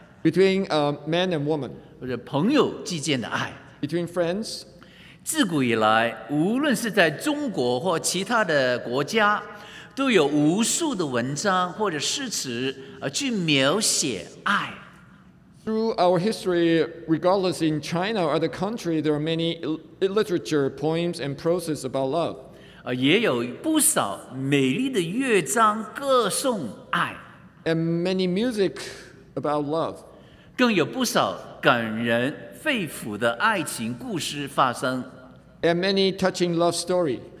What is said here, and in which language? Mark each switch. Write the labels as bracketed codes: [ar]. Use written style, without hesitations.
[en] Between man and woman. [zh] 或者朋友之间的爱。 [en] Between friends. [zh] 自古以来，无论是在中国或其他的国家，都有无数的文章或者诗词去描写爱。 [en] Through our history, regardless in China or other country, there are many literature, poems, and proses about love. [zh] 也有不少美丽的乐章歌颂爱。 [en] And many music about love. [zh] 更有不少感人肺腑的爱情故事发生。 [en] And many touching love story.